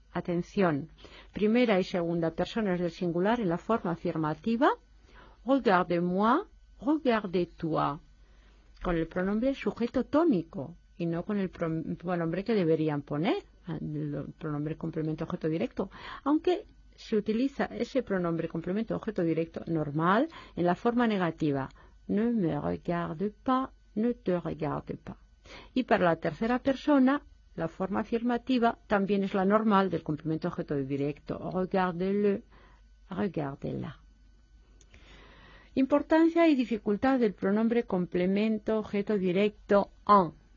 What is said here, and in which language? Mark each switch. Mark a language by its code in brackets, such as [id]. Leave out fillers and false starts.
[es] Atención, primera y segunda personas del singular en la forma afirmativa, [fr] regarde-moi, regarde-toi, [es] con el pronombre sujeto tónico. Y no con el pronombre que deberían poner, el pronombre complemento objeto directo. Aunque se utiliza ese pronombre complemento objeto directo normal en la forma negativa. [fr] Ne me regarde pas, ne te regarde pas. [es] Y para la tercera persona, la forma afirmativa también es la normal del complemento objeto directo. [fr] Regarde-le, regarde-la. [es] Importancia y dificultad del pronombre complemento objeto directo en.